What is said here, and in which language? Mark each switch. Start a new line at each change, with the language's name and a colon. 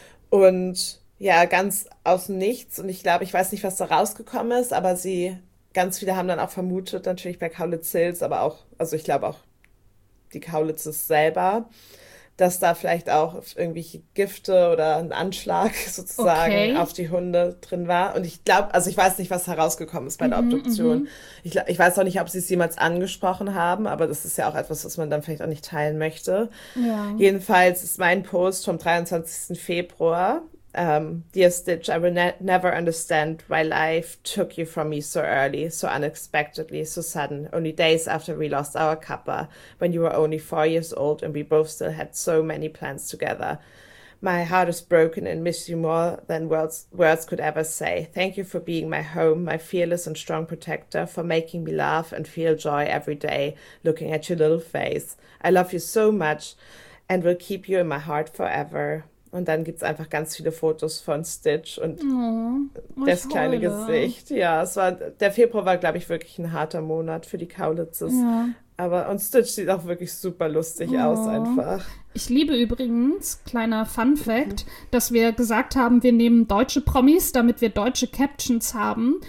German: Und ja, ganz aus dem Nichts. Und ich glaube, ich weiß nicht, was da rausgekommen ist, aber sie, ganz viele haben dann auch vermutet, natürlich bei Cowlitz Hills, aber auch, also ich glaube auch die Cowlitzes selber, dass da vielleicht auch irgendwelche Gifte oder ein Anschlag sozusagen auf Okay. die Hunde drin war. Und ich glaube, also ich weiß nicht, was herausgekommen ist bei der Obduktion. Ich weiß auch nicht, ob sie es jemals angesprochen haben, aber das ist ja auch etwas, was man dann vielleicht auch nicht teilen möchte. Ja. Jedenfalls ist mein Post vom 23.
English: Februar: Dear Stitch, I will ne never understand why life took you from me so early, so unexpectedly, so sudden, only days after we lost our Kappa, when you were only 4 years old and we both still had so many plans together. My heart is broken and miss you more than words could ever say. Thank you for being my home, my fearless and strong protector, for making me laugh and feel joy every day, looking at your little face. I love you so much and will keep you in my heart forever.
German: Und dann gibt es einfach ganz viele Fotos von Stitch und Oh, ich das kleine heule. Gesicht. Ja, es war, der Februar war, glaube ich, wirklich ein harter Monat für die Cowlitzes. Ja. Aber und Stitch sieht auch wirklich super lustig aus, Oh. einfach. Ich liebe übrigens, kleiner Fun Fact, dass wir gesagt haben, wir nehmen deutsche Promis, damit wir deutsche Captions haben.